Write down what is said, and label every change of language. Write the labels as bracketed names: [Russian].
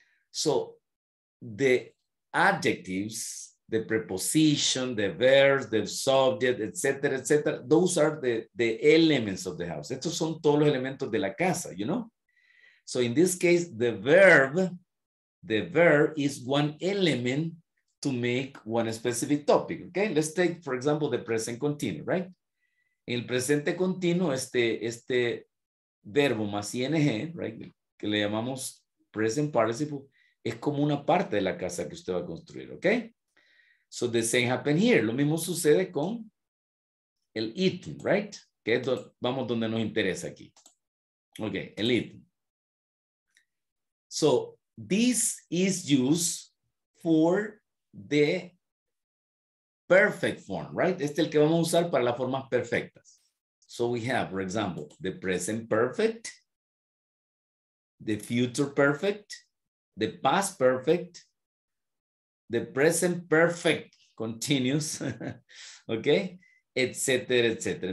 [English] So the adjectives, the preposition, the verb, the subject, etc., etc., those are the elements of the house. [Spanish] Estos son todos los elementos de la casa, [English] you know? So in this case, the verb is one element to make one specific topic, okay? Let's take, for example, the present continuous, right? [Spanish] En el presente continuo, este verbo más ing, right? Que le llamamos present participle, es como una parte de la casa que usted va a construir, okay? [English] So the same happened here. [Spanish] Lo mismo sucede con el eating, right? Que es vamos donde nos interesa aquí. Okay, el eating. [English] So this is used for the perfect form, right? [Spanish] Este es el que vamos a usar para las formas perfectas. [English] So we have, for example, the present perfect, the future perfect, the past perfect, the present perfect continuous, okay, etcétera, etcétera.